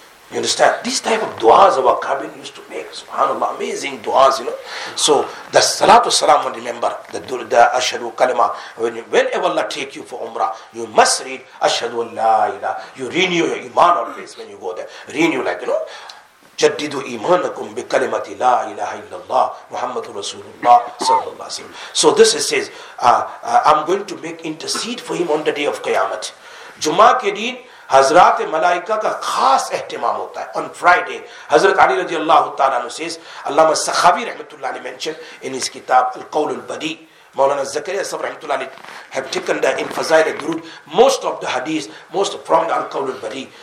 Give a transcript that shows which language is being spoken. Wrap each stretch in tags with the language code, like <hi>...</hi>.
<en>You understand? This type of du'as our Kabin used to make. SubhanAllah, amazing du'as, you know. So the Salatu Salam, remember, the Ashadu Kalima, whenever Allah take you for Umrah, you must read Ashadu Allah ilah. You renew your iman always when you go there. Renew like, you know,</en> <ar>جددوا إيمانكم بكلمة لا إله إلا الله محمد رسول الله صلى الله عليه وسلم.</ar> <en>So this is says, I'm going to make intercede for him on the day of Qiyamah.</en> <ur>Juma ke din Hazrat Malaika ka khas ehtimam hota hai.</ur> <en>On Friday, Hazrat Ali رضي الله تعالى عنه says, Allama Sakhawi rahmatullah alayhi mentioned in his kitab Al Qawl Al Badi, Maulana Zakariya Sahib rahmatullah alayhi have taken the in Fazail Al Durud most of the hadith, most from Al Qawl Al Badi.</en>